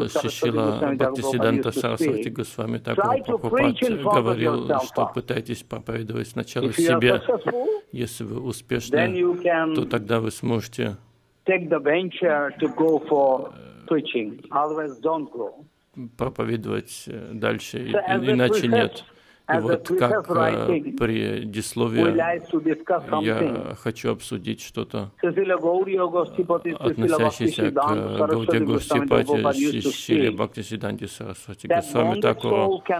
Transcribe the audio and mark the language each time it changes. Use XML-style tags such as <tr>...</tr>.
<ru>Шрила Бхактисиддханта Сарасвати Госвами так говорил, что пытайтесь проповедовать сначала себе. Если вы успешны, то тогда вы сможете</ru> <en>take the venture to go for preaching. Otherwise, don't go.</en> <ru>Проповедовать дальше, иначе нет. И вот как предисловие, я хочу обсудить что-то, относящееся к Гаудия Гостипати Шиле Бхакти Сиданти Сарасвати Госвами Такуру.</ru>